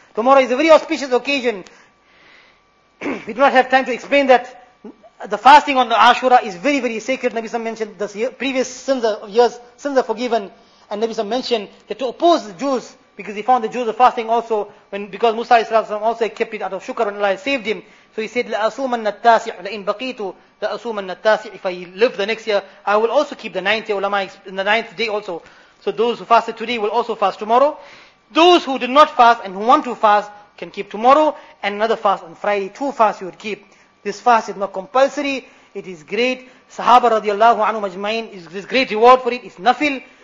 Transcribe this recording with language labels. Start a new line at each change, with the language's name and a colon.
English: Tomorrow is a very auspicious occasion. We do not have time to explain that the fasting on the Ashura is very, very sacred. Nabi Sam mentioned the previous sins are forgiven, and Nabi Sam mentioned that to oppose the Jews, because he found the Jews are fasting also, because Musa also kept it out of shukr and Allah saved him. So he said,
Arabic: لَأَصُومَنَّ التَّاسِعُ لَإِنْ بَقِيتُ لَأَصُومَنَّ التَّاسِعُ.
English: If I live the next year, I will also keep the ninth year, ulama, in the ninth day also. So those who fasted today will also fast tomorrow. Those who did not fast and who want to fast can keep tomorrow and another fast on Friday. Two fasts you would keep. This fast is not compulsory. It is great. Sahaba radiallahu anhu majmain is this great reward for it. It's nafil.